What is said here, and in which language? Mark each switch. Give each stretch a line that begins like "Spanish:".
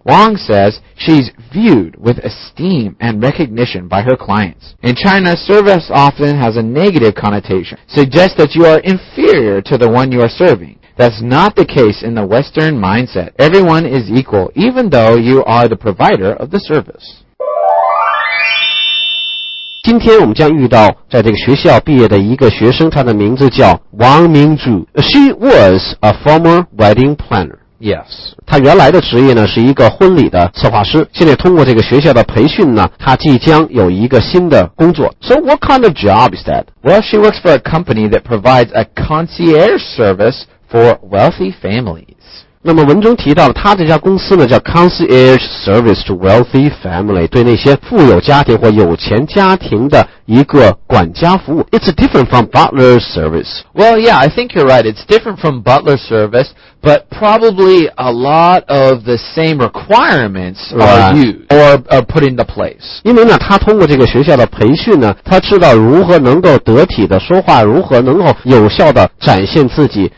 English: Wang says she's viewed with esteem and recognition by her clients. In China, service often has a negative connotation, suggests that you are inferior to the one you are serving. That's not the case in the Western mindset. Everyone is equal, even though you are the provider of the service.
Chinese: 今天我们将遇到在这个学校毕业的一个学生，他的名字叫王明珠。
English: She was a former wedding planner. Yes.
Chinese: 他原来的职业呢是一个婚礼的策划师。现在通过这个学校的培训呢，他即将有一个新的工作。
English: So what kind of job is that? Well, she works for a company that provides a concierge service for wealthy families.
Chinese: 那么文中提到他这家公司呢叫
English: concierge service to wealthy family,
Chinese: 对那些富有家庭或有钱家庭的一个管家服务。
English: It's different from butler service. Well, yeah, I think you're right. It's different from butler service. But probably a lot of the same requirements are used or are put into place.
Chinese: 因为呢，他通过这个学校的培训呢，他知道如何能够得体的说话，如何能够有效的展现自己。